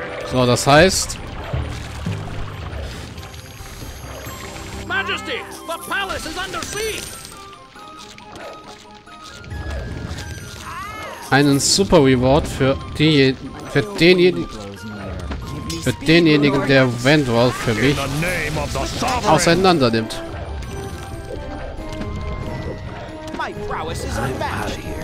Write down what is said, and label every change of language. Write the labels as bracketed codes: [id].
[de] So, das heißt. [en] Majesty, the palace is under siege. [de] Einen super Reward für denjenigen, der Wendor für mich auseinander nimmt. [en] My prowess is unmatched.